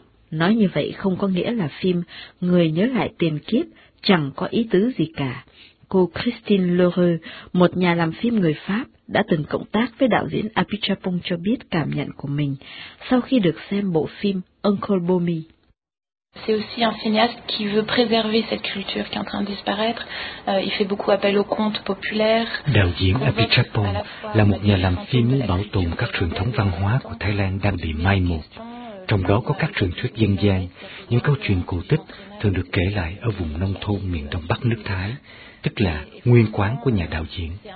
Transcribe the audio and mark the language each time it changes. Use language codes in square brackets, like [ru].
[vi] Nói như vậy không có nghĩa là phim Người nhớ lại tiền kiếp chẳng có ý tứ gì cả. Cô Christine Lheureux, một nhà làm phim người Pháp, đã từng cộng tác với đạo diễn Apichatpong cho biết cảm nhận của mình sau khi được xem bộ phim Uncle Bomi. [fr] C'est aussi un cinéaste qui veut préserver cette culture qui est en train de disparaître. Il fait beaucoup appel aux contes populaires. [vi] Đạo diễn Apichatpong là một nhà làm phim muốn bảo tồn các truyền thống văn hóa của Thái Lan đang bị mai một. Trong đó có các truyền thuyết dân gian, những câu chuyện cổ tích thường được kể lại ở vùng nông thôn miền đông bắc nước Thái, tức là nguyên quán của nhà đạo diễn.